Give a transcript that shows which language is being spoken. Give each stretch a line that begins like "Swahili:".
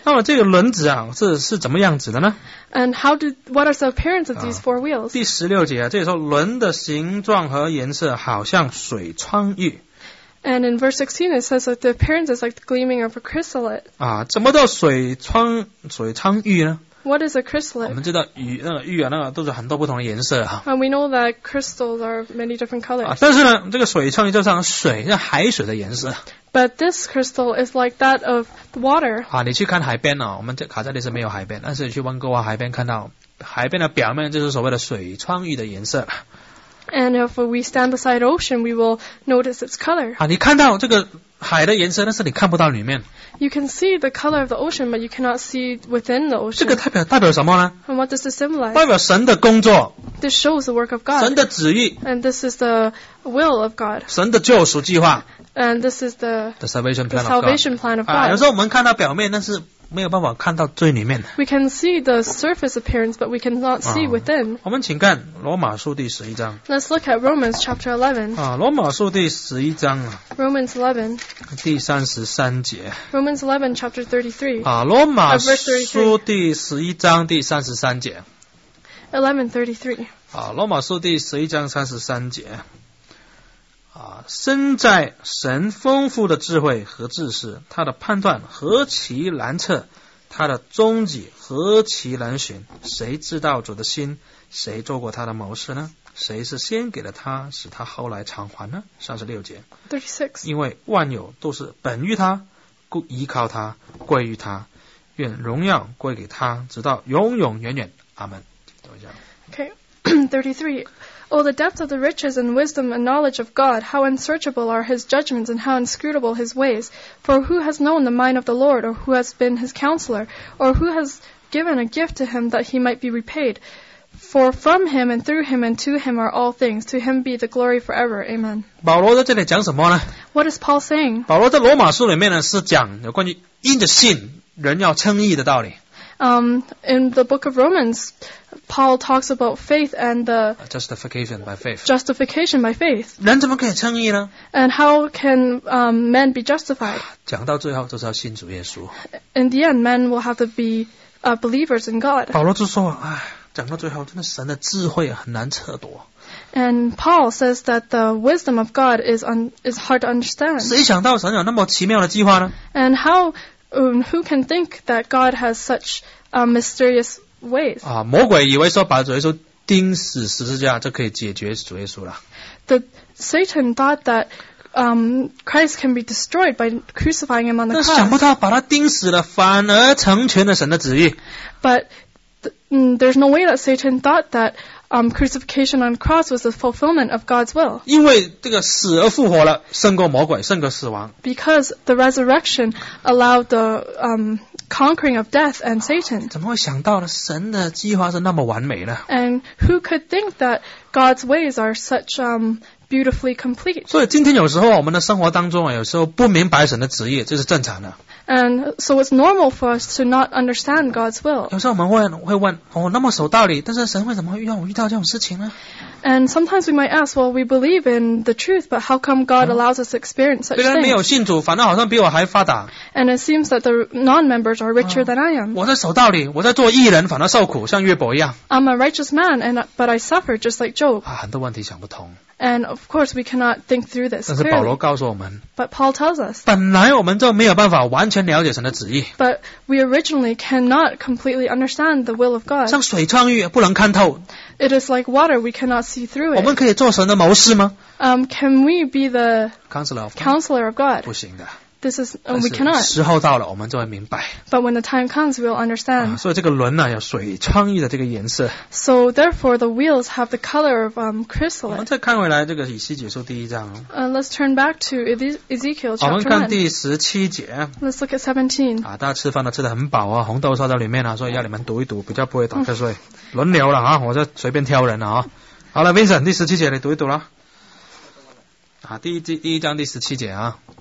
Chinese: 那么这个轮子啊是怎么样子的呢
English: ？And how did what are the appearance of these four wheels？
Chinese: 第十六节啊，这里说轮的形状和颜色好像水窗玉。
English: And in verse 16, it says that the appearance is like the gleaming of a chrysolite.
Chinese: 啊，怎么叫水窗玉呢
English: ？What is a chrysolite？
Chinese: 我们知道玉那个玉啊，那个都是很多不同的颜色啊。
English: And we know that crystals are many different colors.
Chinese: 啊，但是呢，这个水窗玉就像水，像海水的颜色。
English: But this crystal is like that of the water.
Chinese: 啊，你去看海边哦，我们这卡扎里是没有海边，但是你去温哥华海边看到海边的表面就是所谓的水窗玉的颜色。
English: And if we stand beside ocean, we will notice its color.
Chinese: 啊，你看到这个海的颜色，但是你看不到里面。
English: You can see the color of the ocean, but you cannot see within the ocean.
Chinese: 这个代表什么呢
English: ？And what does it symbolize?
Chinese: 代表神的工作。
English: This shows the work of God.
Chinese: 神的旨意。
English: And this is the will of God.
Chinese: 神的救赎计划。
English: And this is the salvation plan of God. Salvation plan of God.
Chinese: 啊，有时候我们看到表面，但是没有办法看到最里面。
English: We can see the surface appearance, but we cannot see within.
Chinese: 我们请看罗马书第十一章。
English: Let's look at Romans chapter 11.
Chinese: 啊，罗马书第十一章啊。
English: Romans 11.
Chinese: 第三十三节。
English: Romans 11 chapter 33.
Chinese: 啊，罗马书第十一章第三十三节。
English: 11:33.
Chinese: 啊，罗马书第十一章三十三节。啊，身在神丰富的智慧和知识，他的判断何其难测，他的终极何其难寻，谁知道主的心，谁做过他的谋士呢？谁是先给了他，使他后来偿还呢？ 36节。 36。因为万有都是本于他，故依靠他，归于他，愿荣耀归给他，直到永永远远。阿门。等一下。
English: Okay. 133. Oh, the depth of the riches and wisdom and knowledge of God, how unsearchable are his judgments and how inscrutable his ways. For who has known the mind of the Lord, or who has been his counselor, or who has given a gift to him that he might be repaid? For from him and through him and to him are all things. To him be the glory forever. Amen.
Chinese: 保罗在这里讲什么呢?
English: What is Paul saying?
Chinese: 保罗在罗马书里面呢是讲有关于因着信人要称义的道理。
English: In the book of Romans, Paul talks about faith and the justification by faith. Justification by faith.
Chinese: 人怎么可以称义呢?
English: And how can men be justified?
Chinese: 讲到最后就是要信主耶稣。
English: In the end, men will have to be believers in God.
Chinese: 保罗就说，哎。讲到最后，真的神的智慧很难测度。
English: And Paul says that the wisdom of God is hard to understand.
Chinese: 谁想到神有那么奇妙的计划呢？
English: And how, who can think that God has such mysterious ways?
Chinese: 啊，魔鬼以为说把主耶稣钉死十字架就可以解决主耶稣了。
English: The Satan thought that Christ can be destroyed by crucifying him on the cross.
Chinese: 但想不到把他钉死了，反而成全了神的旨意。
English: But there's no way that Satan thought that crucifixion on the cross was the fulfillment of God's will.
Chinese: 因为这个死而复活了，胜过魔鬼，胜过死亡。
English: Because the resurrection allowed the conquering of death and Satan.
Chinese: 怎么会想到呢？神的计划是那么完美呢？
English: And who could think that God's ways are such beautifully complete?
Chinese: 所以今天有时候我们的生活当中有时候不明白神的旨意，这是正常的。
English: And so it's normal for us to not understand God's will.
Chinese: 有时候我们会问，哦，那么守道理，但是神为什么会让我遇到这种事情呢？
English: And sometimes we might ask, well, we believe in the truth, but how come God allows us to experience such things?
Chinese: 别人没有信主，反倒好像比我还发达。
English: And it seems that the non-members are richer than I am.
Chinese: 我在守道理，我在做义人，反倒受苦，像约伯一样。
English: I'm a righteous man, but I suffer just like Job.
Chinese: 啊，很多问题想不通。
English: And of course, we cannot think through this clearly.
Chinese: 但是保罗告诉我们，
English: But Paul tells us,
Chinese: 本来我们就没有办法完全了解神的旨意。
English: But we originally cannot completely understand the will of God.
Chinese: 像水穿玉，不能看透。
English: It is like water, we cannot see through it.
Chinese: 我们可以做神的谋士吗？
English: Can we be the counselor of God?
Chinese: 不行的。
English: This is, we cannot.
Chinese: 时候到了，我们就会明白。
English: But when the time comes, we'll understand.
Chinese: 所以这个轮呢，有水创意的这个颜色。
English: So therefore, the wheels have the color of chrysolite.
Chinese: 我们再看回来这个以西结书第一章。
English: Let's turn back to Ezekiel chapter 1.
Chinese: 我们看第十七节。
English: Let's look at 17.
Chinese: 啊，大家吃饭都吃得很饱啊，红豆烧在里面啊，所以要你们读一读，比较不会打瞌睡。轮流了啊，我就随便挑人了啊。好了 ，Vincent， 第十七节你读一读啦。啊，第一章第十七节啊。